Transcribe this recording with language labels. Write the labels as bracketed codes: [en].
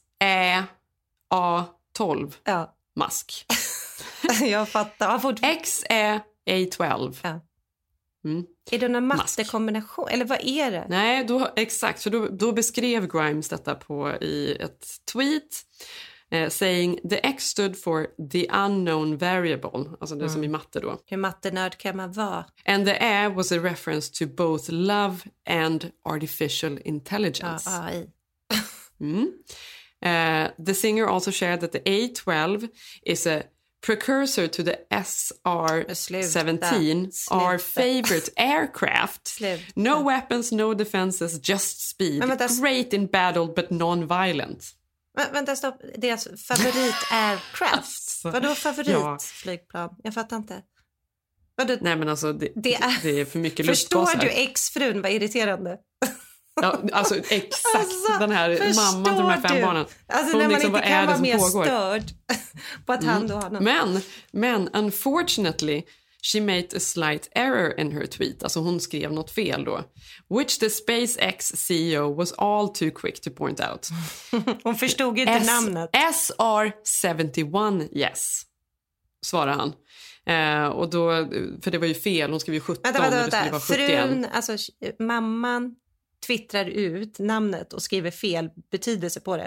[sv] X-E-A-12. Ja. Mask. Jag fattar. Jag får... X är A12. Ja. Mm. Är det någon mattekombination? Eller vad är det? Nej, då, exakt. För då beskrev Grimes detta på i ett tweet. [en] Saying, the X stood for the unknown variable. [sv] Alltså det som i matte då. Hur mattenörd kan man vara? [en] And the A was a reference to both love and artificial intelligence. [sv] Ja, AI. [en] The singer also shared that the A12 is a precursor to the SR-17, our favorite aircraft. No weapons, no defenses, just speed. [sv] Vänta, [en] great in battle, but non-violent. [sv] Vänta, stopp. Deras favorit aircraft? Vadå favoritflygplan? Jag fattar inte. Vadå? Nej, men alltså, det är för mycket luftbas. Förstår du ex-frun? Vad irriterande. Ja, alltså exakt alltså, den här mamman till de här 5 barnen. Alltså när man liksom, inte kan vara mer pågår. Störd på att han då har något. Men [en] unfortunately she made a slight error in her tweet. [sv] Alltså hon skrev något fel då. [en] Which the SpaceX CEO was all too quick to point out. [sv] Hon förstod inte namnet. SR-71, yes. Svarar han. Och då, för det var ju fel. Hon skrev ju 17. Vänta. Frun, alltså mamman twittrar ut namnet och skriver fel betydelse på det.